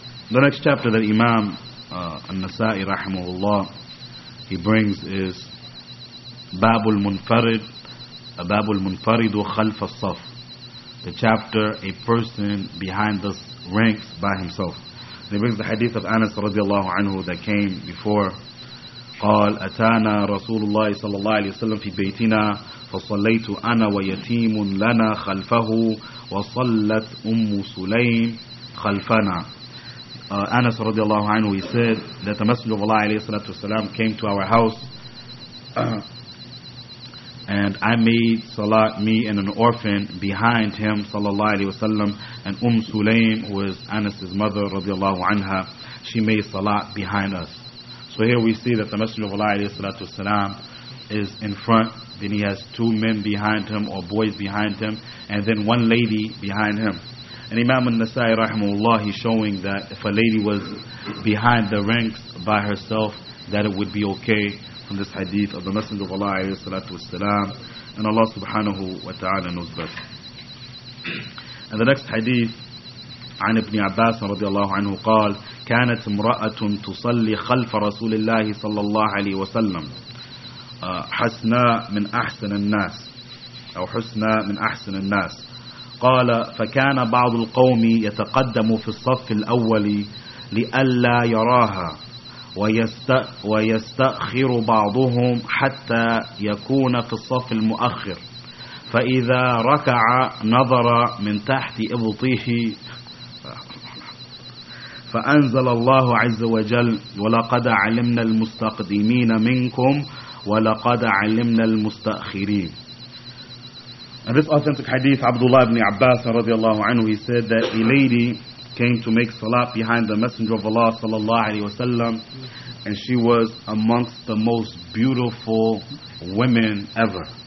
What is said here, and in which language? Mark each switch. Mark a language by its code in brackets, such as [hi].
[en] The next chapter that Imam An-Nasa'i rahimahullah he brings is Babul Munfarid Khalf As-Saf, the chapter a person behind the ranks by himself. He brings the hadith of Anas radiallahu anhu that came before [ar] قال أتانا رسول الله صلى الله عليه وسلم في بيتنا فصليت أنا ويتيم لنا خلفه وصلت أم سليم خلفنا. [en] Anas radiallahu anhu, he said that the Messenger of Allah alayhi salatu wasalam came to our house and I made salat, me and an orphan behind him sallallahu alayhi wasalam, and Umm Sulaym, who is Anas's mother radiallahu anha, she made salat behind us. So here we see that the Messenger of Allah alayhi salatu wasalam is in front, then he has two men behind him or boys behind him, and then one lady behind him. And Imam al-Nasai rahimahullah, he's showing that if a lady was behind the ranks by herself, that it would be okay from this hadith of the Messenger of Allah alayhi salatu wasalam, and Allah subhanahu wa ta'ala knows best. And the next hadith, [ar] عن ابن عباس رضي الله عنه قال كانت امرأة تصلي خلف رسول الله صلى الله عليه وسلم حسناء من أحسن الناس أو حسناء من أحسن الناس. قال فكان بعض القوم يتقدم في الصف الأول لئلا يراها ويستأخر بعضهم حتى يكون في الصف المؤخر، فإذا ركع نظر من تحت إبطيه، فأنزل الله عز وجل ولقد علمنا المستقدمين منكم ولقد علمنا المستأخرين. [en] And this authentic hadith, Abdullah ibn Abbas radiallahu anhu, he said that a lady came to make salat behind the Messenger of Allah sallallahu alayhi wasallam, and she was amongst the most beautiful women ever.